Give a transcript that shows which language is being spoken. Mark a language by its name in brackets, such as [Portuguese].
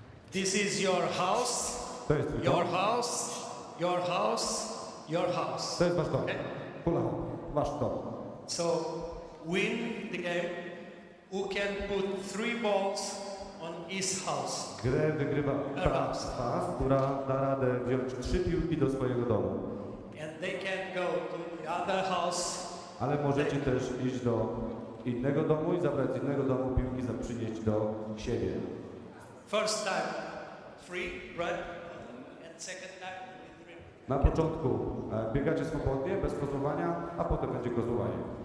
[English] This is your house. [Polish] To jest twój [English] your house. Your house. Your house. [Polish] To jest wasz dom. Pula. Wasz dom. [English] So win the game. Who can put three balls on his house? [Polish] Grę wygrywa ta, która da radę wziąć trzy piłki do swojego domu. [English] And they can go to the other house. [Polish] Ale możecie też iść do innego domu i zabrać z innego domu piłki, za przynieść do siebie. [English] First time free, right? And second time three. [Polish] Na początku biegacie swobodnie, bez kozłowania, a potem będzie kozłowanie.